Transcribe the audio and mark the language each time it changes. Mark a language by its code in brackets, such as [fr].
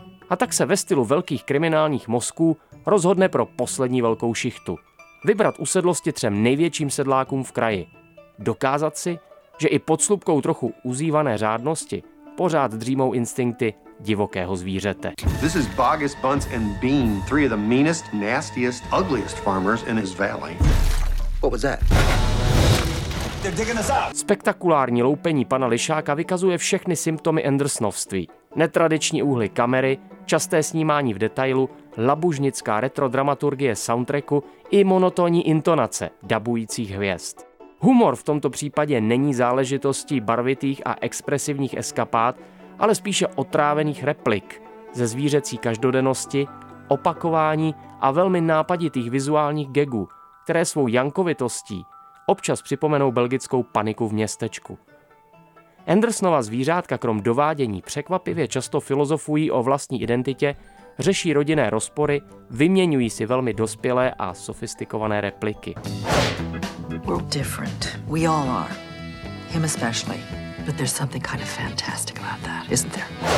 [cs] A tak se ve stylu velkých kriminálních mozků rozhodne pro poslední velkou šichtu. Vybrat usedlosti třem největším sedlákům v kraji. Dokázat si, že i pod slupkou trochu uzývané řádnosti pořád dřímou instinkty divokého zvířete. [en] This is Bogus, Bunce and Bean, three of the meanest, nastiest, ugliest farmers in his valley. What was that? [cs] Spektakulární loupení pana Lišáka vykazuje všechny symptomy Andersonovství. Netradiční úhly kamery, časté snímání v detailu, labužnická retrodramaturgie soundtracku i monotónní intonace dabujících hvězd. Humor v tomto případě není záležitostí barvitých a expresivních eskapád, ale spíše otrávených replik ze zvířecí každodennosti, opakování a velmi nápaditých vizuálních gagů, které svou jankovitostí občas připomenou belgickou paniku v městečku. Andersonova zvířátka krom dovádění překvapivě často filozofují o vlastní identitě, řeší rodinné rozpory, vyměňují si velmi dospělé a sofistikované repliky. [en] We're different. We all are. Him especially. But there's something kind of fantastic about that, isn't there?